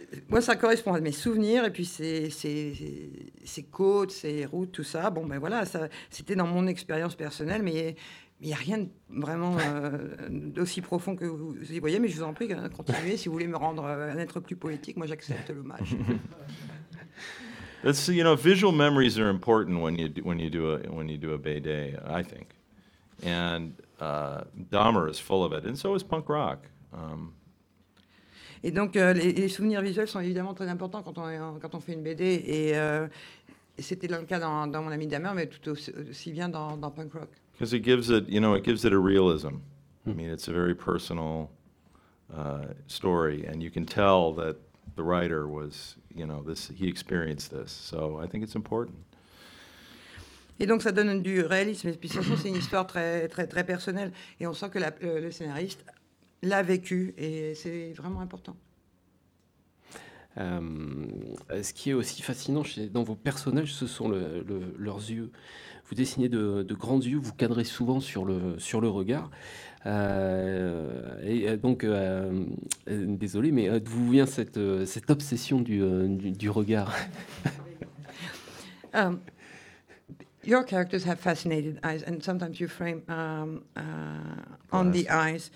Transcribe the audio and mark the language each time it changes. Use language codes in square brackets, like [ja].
[fr] Moi, ça correspond à mes souvenirs, et puis ces côtes, ces routes, tout ça. Bon, ben voilà, ça, c'était dans mon expérience personnelle, mais il n'y a rien de vraiment d'aussi profond que vous y voyez. Mais je vous en prie, continuez. Si vous voulez me rendre un être plus poétique, moi, j'accepte l'hommage. [en] That's, you know, visual memories are important when you do a Bay Day, I think. And Dahmer is full of it, and so is Punk Rock. [fr] Et donc, les souvenirs visuels sont évidemment très importants quand on fait une BD. Et c'était le cas dans Mon ami Dahmer, mais tout aussi bien dans Punk Rock. [en] Because it gives it, you know, it gives it a realism. I mean, it's a very personal story. And you can tell that the writer was, you know, he experienced this. So I think it's important. [fr] Et donc, ça donne du réalisme. Et puis, ça, c'est une histoire très, très, très personnelle. Et on sent que le scénariste l'a vécu, et c'est vraiment important. Ce qui est aussi fascinant dans vos personnages, ce sont leurs yeux. Vous dessinez de grands yeux, vous cadrez souvent sur le regard. Désolé, mais d'où vient cette obsession du regard? [en] Your characters have fascinated eyes, and sometimes you frame on the eyes.